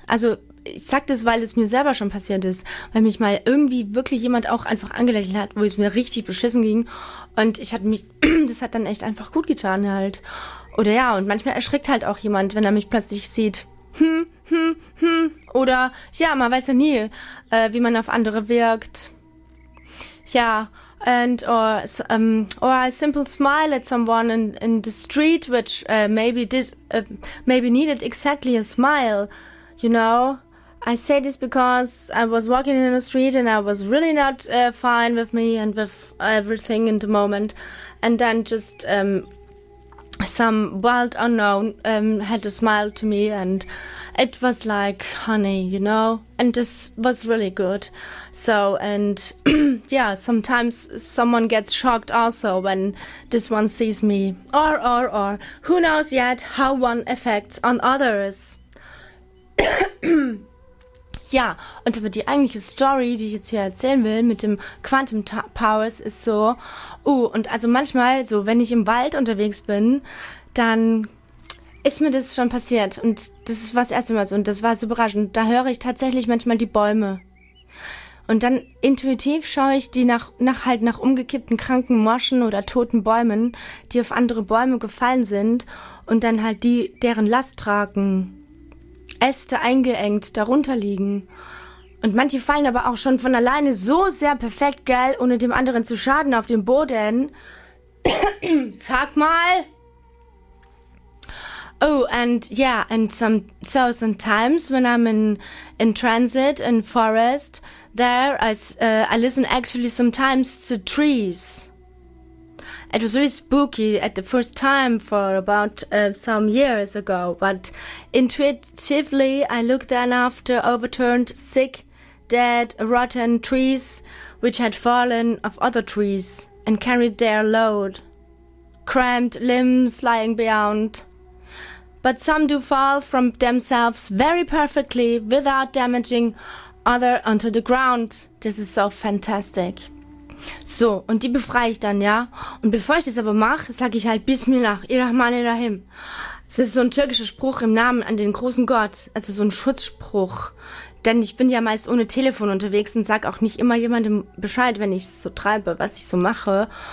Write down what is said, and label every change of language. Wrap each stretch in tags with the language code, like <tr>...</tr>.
<de>Also ich sag das, weil es mir selber schon passiert ist, weil mich mal irgendwie wirklich jemand auch einfach angelächelt hat, wo es mir richtig beschissen ging und ich hatte mich, das hat dann echt einfach gut getan halt. Oder ja, und manchmal erschrickt halt auch jemand, wenn er mich plötzlich sieht. Oder ja, man weiß ja nie, wie man auf andere wirkt.</de> <en>Ja, and or a simple smile at someone in the street, which maybe needed exactly a smile. You know, I say this because I was walking in the street and I was really not fine with me and with everything in the moment. And then just some wild unknown had a smile to me, and it was like, honey, you know? And this was really good. So, and yeah, sometimes someone gets shocked also when this one sees me. Or, who knows yet how one affects on others.</en> <de>Ja, und aber die eigentliche Story, die ich jetzt hier erzählen will mit dem Quantum Powers, ist so, und also manchmal, so wenn ich im Wald unterwegs bin, dann ist mir das schon passiert. Und das war das erste Mal so, und das war so überraschend. Da höre ich tatsächlich manchmal die Bäume. Und dann intuitiv schaue ich die nach umgekippten kranken Moschen oder toten Bäumen, die auf andere Bäume gefallen sind und dann halt die deren Last tragen. Äste eingeengt darunter liegen. Und manche fallen aber auch schon von alleine so sehr perfekt, gell, ohne dem anderen zu schaden auf dem Boden. Sag mal!</de> <en>So sometimes when I'm in transit, in forest, there, I listen actually sometimes to trees. It was really spooky at the first time for about some years ago, but intuitively I looked then after overturned, sick, dead, rotten trees which had fallen off other trees and carried their load, cramped limbs lying beyond. But some do fall from themselves very perfectly without damaging other onto the ground. This is so fantastic.</en> <de>So, und die befreie ich dann, ja. Und bevor ich das aber mache, sage ich halt</de> <ar>Bismillah, Irrahman Irrahim.</ar> <de>Das ist so ein türkischer Spruch im Namen an den großen Gott. Also so ein Schutzspruch. Denn ich bin ja meist ohne Telefon unterwegs und sag auch nicht immer jemandem Bescheid, wenn ich es so treibe, was ich so mache.</de>